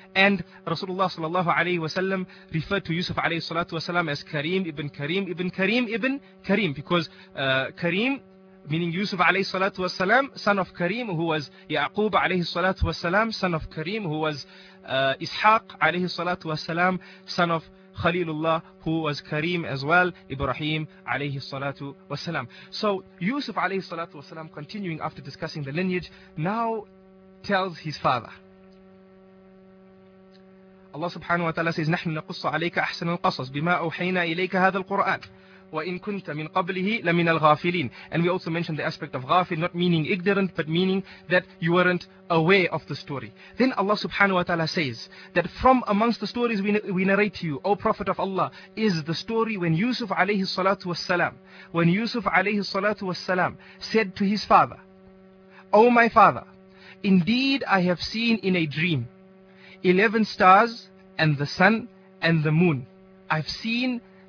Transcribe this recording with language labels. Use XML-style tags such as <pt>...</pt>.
<en>And Rasulullah sallallahu alayhi wasalam referred to Yusuf alayhi salatu wasalam as Kareem ibn Kareem ibn Kareem ibn Kareem, because Kareem meaning Yusuf alayhi salatu wasalam, son of Kareem, who was Ya'qub alayhi salatu wasalam, son of Kareem, who was Ishaq alayhi salatu wasalam, son of Khalilullah, who was Kareem as well, Ibrahim alayhi salatu wasalam. So Yusuf alayhi salatu wasalam, continuing after discussing the lineage, now tells his father.</en> <ar>Allah subhanahu wa ta'ala says, نَحْنُ نَقُصُّ عَلَيْكَ أَحْسَنَ الْقَصَصِ بِمَا أَوْحَيْنَا إِلَيْكَ هَذَا الْقُرْآنِ وَإِن كُنْتَ مِنْ قَبْلِهِ لَمِنَ الْغَافِلِينَ.</ar> <en>And we also mentioned the aspect of غافل, not meaning ignorant, but meaning that you weren't aware of the story. Then Allah subhanahu wa ta'ala says that from amongst the stories we narrate to you, O Prophet of Allah, is the story when Yusuf alayhi salatu wasalam, when Yusuf alayhi salatu wasalam said to his father, O my father, indeed I have seen in a dream 11 stars and the sun and the moon. I've seen</en>